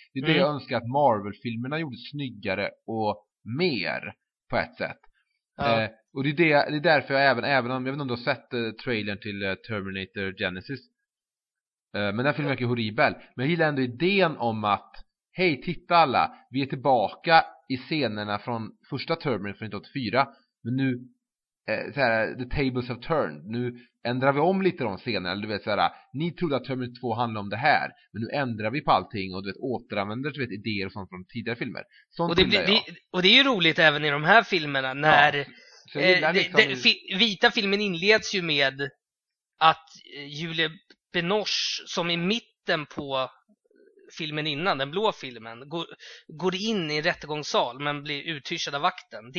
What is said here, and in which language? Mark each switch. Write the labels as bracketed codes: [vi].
[sv] Det är det jag önskar att Marvel-filmerna gjorde snyggare och mer på ett sätt. Ja. Och det är därför jag även om jag vet inte om du har sett trailern till Terminator Genesis. Men den filmen verkar horribel. Men jag gillar ändå idén om att, hej, titta alla, vi är tillbaka i scenerna från första Terminator från 1984. Men nu, [en] the tables have turned. [sv] Nu ändrar vi om lite de scenerna. Eller du vet, såhär, ni trodde att Terminator 2 handlade om det här. Men nu ändrar vi på allting och du vet, återanvänder du vet, idéer och sånt från tidigare filmer. Sånt och, det är ju roligt även i de här filmerna när... Ja. Vita filmen inleds ju med att Julie Binoche, som i mitten på filmen innan, den blå filmen, går in i rättegångssal men blir uthyrsad av vakten.